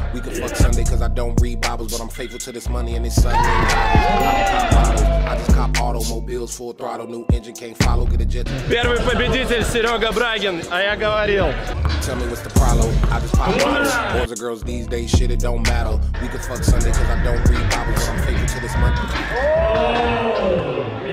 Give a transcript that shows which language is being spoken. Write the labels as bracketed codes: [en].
[en] We can fuck Sunday cause I don't read Bibles, but I'm faithful to this money and it's Sunday. I just cop automobiles, full throttle, new engine, can't follow, get a jet. [ru] Первый победитель Серега Брагин, а я говорил. [en] Tell me what's the problem? I just pop bottles. Boys and girls these days, shit, it don't matter. We can fuck Sunday cause I don't read Bibles, but I'm faithful to this money.